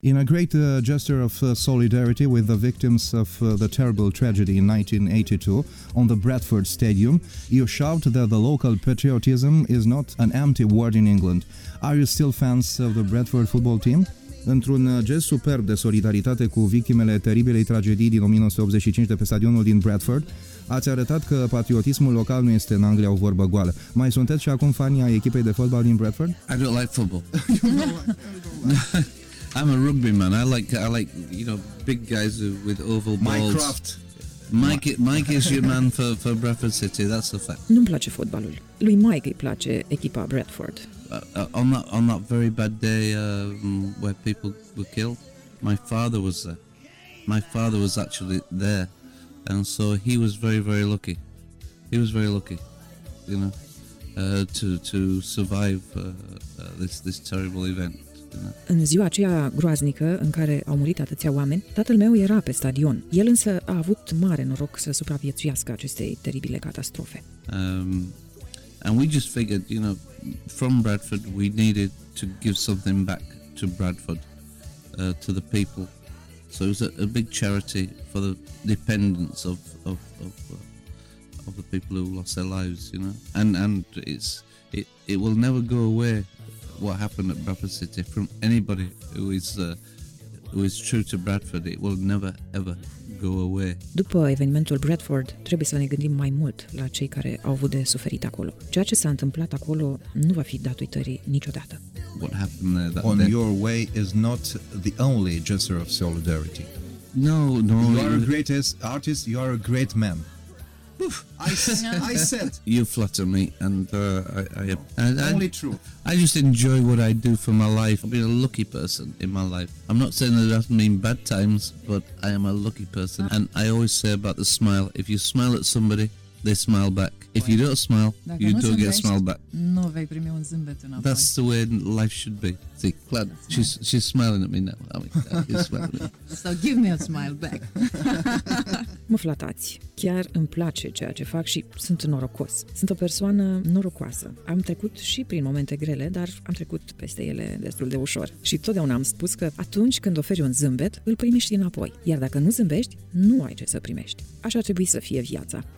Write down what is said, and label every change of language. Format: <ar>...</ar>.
<en>In a great gesture of solidarity with the victims of the terrible tragedy in 1982 on the Bradford Stadium, you shout that the local patriotism is not an empty word in England. Are you still fans of the Bradford football team?</en> <ro>Într-un gest superb de solidaritate cu victimele teribilei tragedii din 1985 de pe stadionul din Bradford, ați arătat că patriotismul local nu este în Anglia o vorbă goală. Mai sunteți și acum fanii ai echipei de fotbal din Bradford?</ro> <en>I don't like football. I'm a rugby man. I like you know, big guys with oval balls. Mycroft. Mike is your man for Bradford City. That's a fact.</en> <ro>Nu-mi place fotbalul. Lui Mike îi place echipa Bradford.</ro> <en>On that very bad day where people were killed, my father was there. My father was actually there, and so he was very, very lucky. He was very lucky, you know, to survive this terrible event.</en> <ro>În ziua aceea groaznică în care au murit atâția oameni, tatăl meu era pe stadion. El însă a avut mare noroc să supraviețuiască acestei teribile catastrofe.</ro> <en>And we just figured, you know, from Bradford we needed to give something back to Bradford, to the people. So it was a big charity for the dependents of the people who lost their lives, you know. And it will never go away. What happened at Bradford City, from anybody who is true to Bradford, it will never ever go away.</en> <ro>După evenimentul Bradford, trebuie să ne gândim mai mult la cei care au avut de suferit acolo. Ceea ce s-a întâmplat acolo nu va fi dat uitării niciodată.</ro> <en>What happened there that on day? Your way is not the only gesture of solidarity. No. You are a great artist, you are a great man. I said you flatter me, and only true. I just enjoy what I do for my life. I've been a lucky person in my life. I'm not saying that doesn't mean bad times, but I am a lucky person. And I always say about the smile: if you smile at somebody, they smile back. If you don't smile,</en> <ro>dacă</ro> <en>you don't get a smile back.</en> <ro>Nu vei primi un zâmbet înapoi.</ro> <en>That's the way life should be. See, Clad, she's smiling at me now. I mean, she's smiling at me. So give me a smile back.</en> <ro>Mă flatați. Chiar îmi place ceea ce fac și sunt norocos. Sunt o persoană norocoasă. Am trecut și prin momente grele, dar am trecut peste ele destul de ușor. Și totdeauna am spus că atunci când oferi un zâmbet, îl primești înapoi. Iar dacă nu zâmbești, nu ai ce să primești. Așa trebuie să fie viața.</ro>